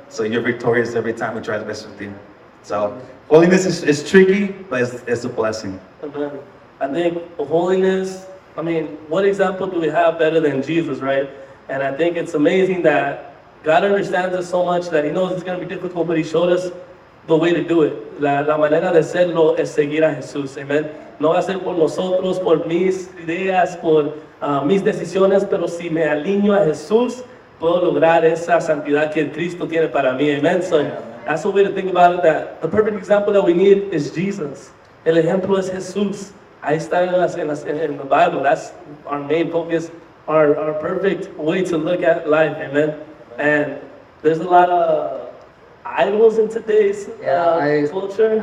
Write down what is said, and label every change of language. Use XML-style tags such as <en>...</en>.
<en>So you're victorious every time he tries to mess with you. So holiness is tricky, but it's a blessing. Amen. I think holiness, I mean, what example do we have better than Jesus, right? And I think it's amazing that God understands us so much that he knows it's going to be difficult, but he showed us the way to do it.</en> <es>La manera de hacerlo es seguir a Jesús. Amen. No va a ser por nosotros, por mis ideas, por mis decisiones, pero si me alineo a Jesús, puedo lograr esa santidad que Cristo tiene para mí. Amen. So,</es> <en>That's a way to think about it, that the perfect example that we need is Jesus.</en> <es>El ejemplo es Jesús. Ahí está en</es> <en>the Bible. That's our main focus, our perfect way to look at life, amen? And there's a lot of idols in today's culture.</en>